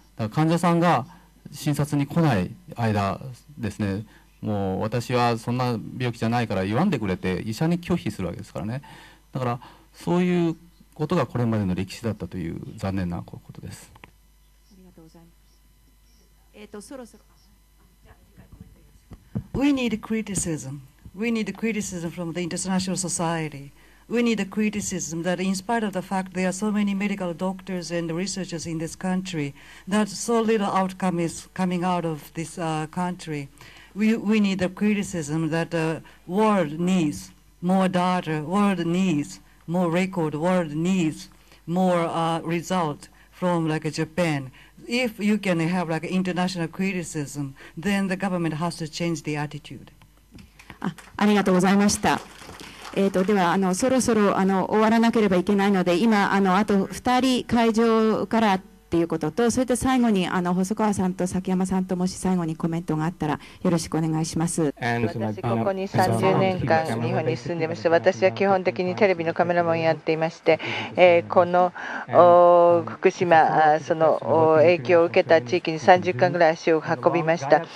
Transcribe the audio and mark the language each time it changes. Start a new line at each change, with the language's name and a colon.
Japanese: だから患者さんが診察に来ない間ですね、もう私はそんな病気じゃないから言わんでくれて医者に拒否するわけですからね。だからそういうことがこれまでの歴史だったという残念なことです。ありがとうございます。そろそろ
English: We need criticism. We need criticism from the international societyWe need a criticism that in spite of the fact there are so many medical doctors and researchers in this country, that so little outcome is coming out of this country. We need a criticism that the world needs more data, world needs more record, world needs more result from like Japan. If you can have like international criticism, then the government has to change the attitude.
Japanese: ありがとうございました。ではそろそろ終わらなければいけないので、今あと2人会場からということと、それと最後に細川さんと崎山さんともし最後にコメントがあったらよろしくお願いします。私ここに30年間日本に住んでいまして、私は基本的にテレビのカメラマンやっていまして、この福島その影響を受けた地域に30巻ぐらい足を運びました。